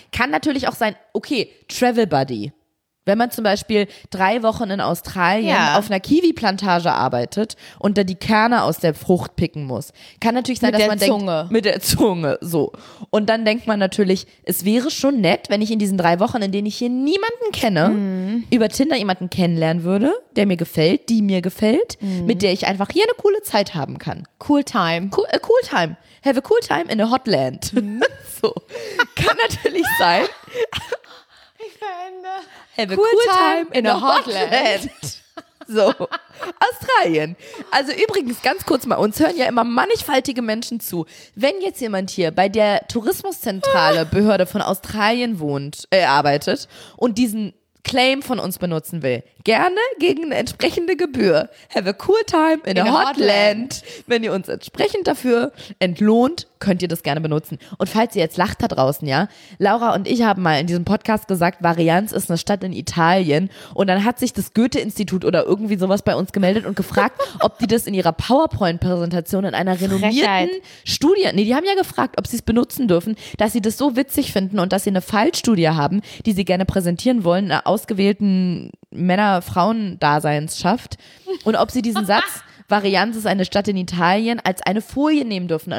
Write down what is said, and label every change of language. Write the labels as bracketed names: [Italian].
[German] Kann natürlich auch sein, okay, Travel Buddy. Wenn man zum Beispiel 3 Wochen in Australien auf einer Kiwi-Plantage arbeitet und da die Kerne aus der Frucht picken muss, kann natürlich sein, mit der Zunge. Und dann denkt man natürlich, es wäre schon nett, wenn ich in diesen 3 Wochen, in denen ich hier niemanden kenne, über Tinder jemanden kennenlernen würde, der mir gefällt, die mir gefällt, mit der ich einfach hier eine coole Zeit haben kann. [English] Cool time. Cool time. Have a cool time in a hot land. So. [German] Kann natürlich sein. [English] Have a cool time in a hotland. [German] So, Australien. Also übrigens, ganz kurz mal, uns hören ja immer mannigfaltige Menschen zu. Wenn jetzt jemand hier bei der Tourismuszentrale Behörde von Australien arbeitet und diesen Claim von uns benutzen will, gerne gegen eine entsprechende Gebühr. [English] Have a cool time in a hotland. [German] Wenn ihr uns entsprechend dafür entlohnt, könnt ihr das gerne benutzen. Und falls ihr jetzt lacht da draußen, ja, Laura und ich haben mal in diesem Podcast gesagt, Varianz ist eine Stadt in Italien und dann hat sich das Goethe-Institut oder irgendwie sowas bei uns gemeldet und gefragt, ob die das in ihrer PowerPoint-Präsentation in einer renommierten Studie, nee, die haben ja gefragt, ob sie es benutzen dürfen, dass sie das so witzig finden und dass sie eine Fallstudie haben, die sie gerne präsentieren wollen, einer ausgewählten Männer-Frauen-Daseinsschaft und ob sie diesen Satz Varianz ist eine Stadt in Italien, als eine Folie nehmen dürfen.